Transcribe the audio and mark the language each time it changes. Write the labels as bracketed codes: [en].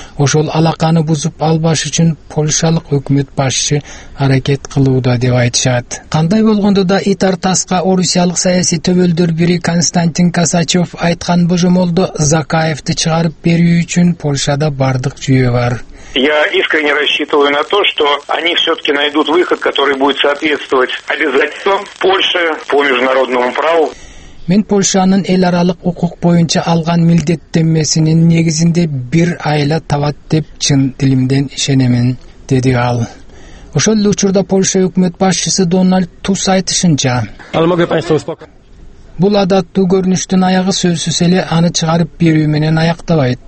[ky] Ошол алаканы бузуп албаш үчүн польшалык өкмөт башчы аракет кылууда деп айтышат. Кандай болгондо да ит артаска орусиялык саясий төбөлдөр бири Константин Касачев айткан божомолдо Закаевди чыгарып берүү үчүн Польшада бардык жүйө бар. [ru] Я искренне рассчитываю на то, что они все-таки найдут выход, который будет соответствовать обязательствам Польши по международному праву. [ky] Мен Польшанын эл аралык укук боюнча алган милдеттенмесинин негизинде бир айла табат деп чын дилимден ишенемин, деди ал. Ошол эле учурда Польша өкмөт башчысы Дональд Туск айтышынча, бул адаттуу көрүнүштүн аягы сөзсүз эле аны чыгарып берүү менен аяктабайт.